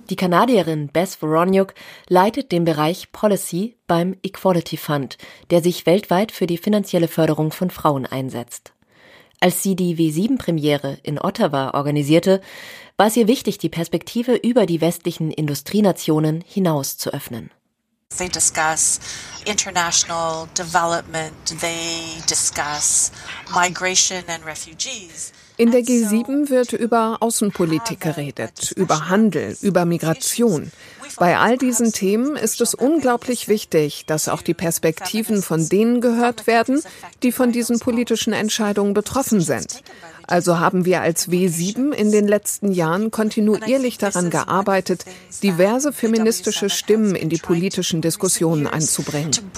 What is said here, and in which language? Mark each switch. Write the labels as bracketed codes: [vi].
[de] Die Kanadierin Beth Voronyuk leitet den Bereich Policy beim Equality Fund, der sich weltweit für die finanzielle Förderung von Frauen einsetzt. Als sie die W7-Premiere in Ottawa organisierte, war es ihr wichtig, die Perspektive über die westlichen Industrienationen hinaus zu öffnen. [en] They discuss international development, they discuss migration and refugees. [de] In der G7 wird über Außenpolitik geredet, über Handel, über Migration. Bei all diesen Themen ist es unglaublich wichtig, dass auch die Perspektiven von denen gehört werden, die von diesen politischen Entscheidungen betroffen sind. Also haben wir als W7 in den letzten Jahren kontinuierlich daran gearbeitet, diverse feministische Stimmen in die politischen Diskussionen einzubringen.